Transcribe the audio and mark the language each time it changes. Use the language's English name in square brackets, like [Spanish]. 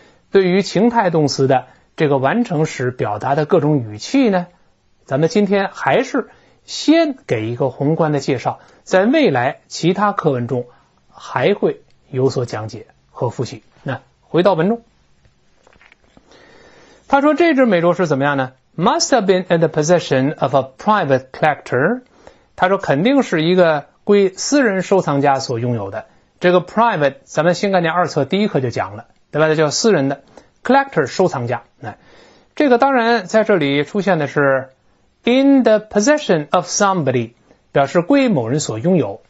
[Chinese] 对于情态动词的这个完成时表达的各种语气呢，咱们今天还是先给一个宏观的介绍，在未来其他课文中还会有所讲解和复习。那回到文中，他说这只美洲狮怎么样呢？ [English] Must have been in the possession of a private collector. [Chinese] 他说肯定是一个归私人收藏家所拥有的。这个 private 咱们新概念二册第一课就讲了，对吧？叫私人的 collector 收藏家。这个当然在这里出现的是 [English] in the possession of somebody， [Chinese] 表示归某人所拥有。